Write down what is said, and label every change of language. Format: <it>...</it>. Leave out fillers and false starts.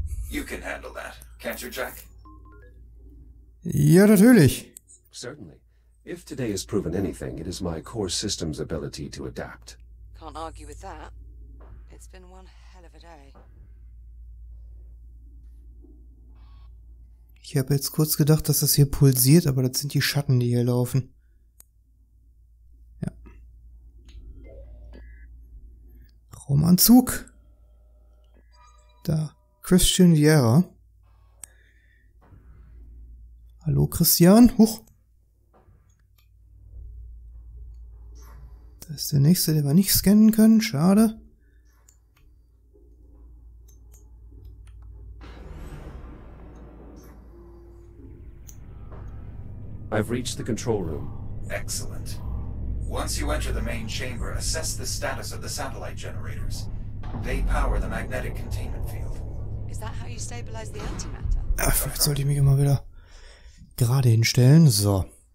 <en>You can handle that, can't you, Jack?</en> <de>Ja, natürlich.</de> <en>Certainly. If today has proven anything, it is my core system's ability to adapt. Can't argue with that. It's been one hell of a day.</en> <de>Ich habe jetzt kurz gedacht, dass das hier pulsiert, aber das sind die Schatten, die hier laufen. Ja. Raumanzug. Da. Christian Vieira. Hallo Christian. Huch. Da ist der nächste, den wir nicht scannen können. Schade.</de> <en>I've reached the control room. Excellent. Once you enter the main chamber, assess the status of the satellite generators. They power the magnetic containment field. Is that how you stabilize the antimatter?</en> <de>Ach, vielleicht sollte ich mich immer wieder gerade hinstellen. So.</de>